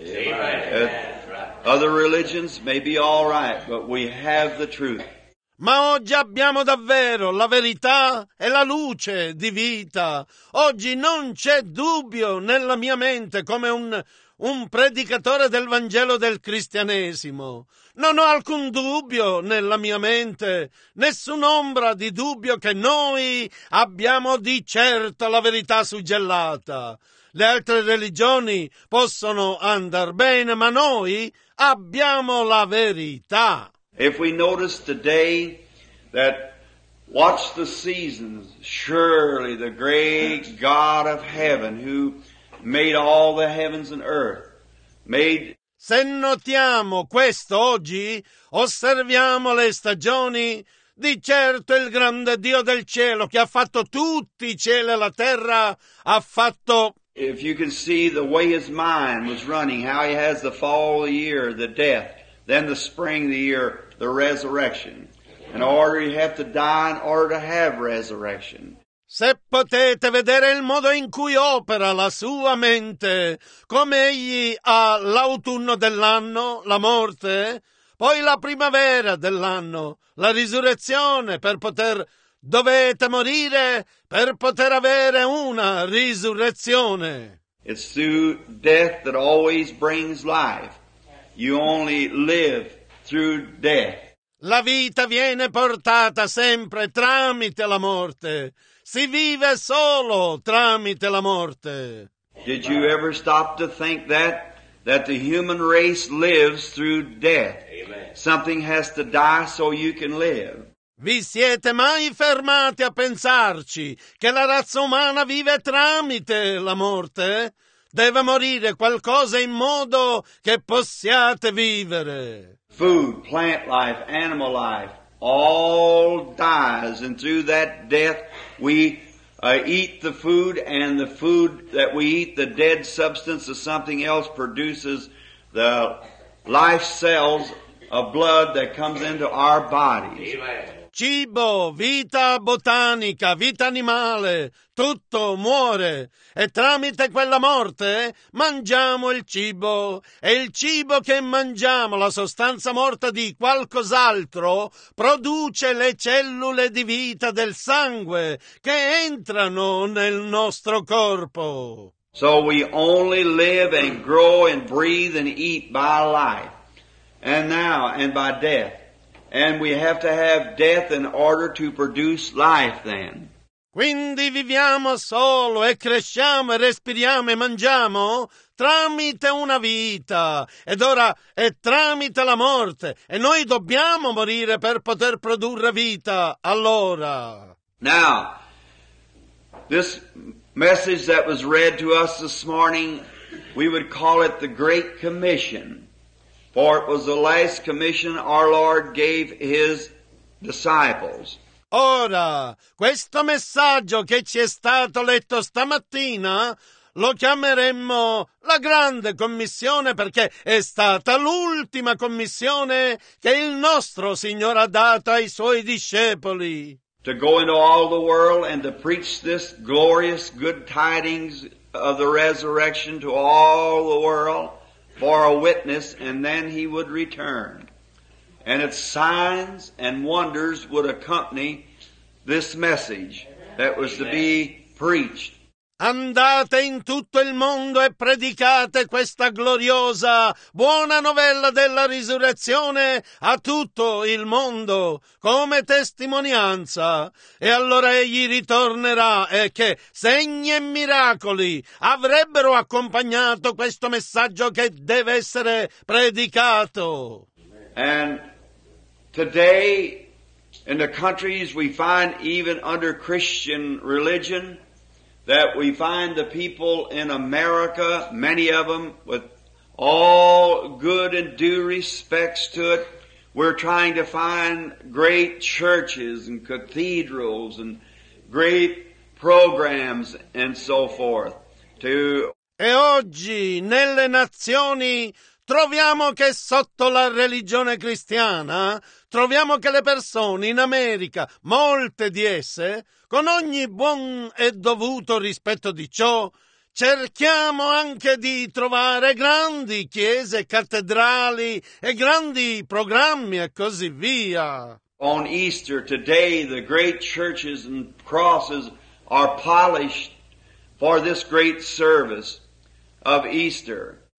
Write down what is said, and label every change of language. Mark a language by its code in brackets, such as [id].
[en] Amen. Other religions may be all right, but we have the truth. [it] Ma oggi abbiamo davvero la verità e la luce di vita. Oggi non c'è dubbio nella mia mente come un predicatore del Vangelo del cristianesimo. Non ho alcun dubbio nella mia mente, nessun'ombra di dubbio che noi abbiamo di certo la verità suggellata. Le altre religioni possono andar bene, ma noi abbiamo la verità. [en] If we notice today that, watch the seasons, surely the great God of heaven who made all the heavens and earth made... [it] Se notiamo questo oggi, osserviamo le stagioni, di certo il grande Dio del cielo che ha fatto tutti i cieli e la terra, ha fatto... [en] If you can see the way his mind was running, how he has the fall of the year, the death, then the spring of the year... The resurrection. In order you have to die in order to have resurrection. [it] Se potete vedere il modo in cui opera la sua mente, come egli ha l'autunno dell'anno, la morte, poi la primavera dell'anno, la risurrezione, per poter dovete morire per poter avere una risurrezione. [en] It's through death that always brings life. You only live through death. [it] La vita viene portata sempre tramite la morte. Si vive solo tramite la morte. [en] Did you ever stop to think that the human race lives through death? Amen. Something has to die so you can live. [it] Vi siete mai fermati a pensarci che la razza umana vive tramite la morte? Deve morire qualcosa in modo che possiate vivere. [en] Food, plant life, animal life, all dies, and through that death we eat the food, and the food that we eat, the dead substance of something else, produces the life cells of blood that comes into our bodies. Amen. [it] Cibo, vita botanica, vita animale, tutto muore, e tramite quella morte mangiamo il cibo, e il cibo che mangiamo, la sostanza morta di qualcos'altro, produce le cellule di vita del sangue che entrano nel nostro corpo. [en] So we only live and grow and breathe and eat by life, and now and by death. And we have to have death in order to produce life then. [it] Quindi viviamo solo e cresciamo e respiriamo e mangiamo tramite una vita. Ed ora è tramite la morte. E noi dobbiamo morire per poter produrre vita. Allora. [en] Now, this message that was read to us this morning, we would call it the Great Commission, for it was the last commission our Lord gave His disciples. [it] Ora, questo messaggio che ci è stato letto stamattina lo chiameremmo la Grande Commissione, perché è stata l'ultima commissione che il nostro Signore ha dato ai Suoi discepoli. [en] To go into all the world and to preach this glorious good tidings of the resurrection to all the world for a witness, and then He would return. And its signs and wonders would accompany this message that was to be preached. [it] Andate in tutto il mondo e predicate questa gloriosa buona novella della risurrezione a tutto il mondo come testimonianza, e allora Egli ritornerà, e che segni e miracoli avrebbero accompagnato questo messaggio che deve essere predicato. [en] And today in the countries we find, even under Christian religion, that we find the people in America, many of them, with all good and due respects to it, we're trying to find great churches and cathedrals and great programs and so forth. To [it] E oggi nelle nazioni troviamo che sotto la religione cristiana troviamo che le persone in America, molte di esse, con ogni buon e dovuto rispetto di ciò, cerchiamo anche di trovare grandi chiese, cattedrali e grandi programmi e così via. [en] On Easter today, the great churches and crosses are polished for this great service of Easter.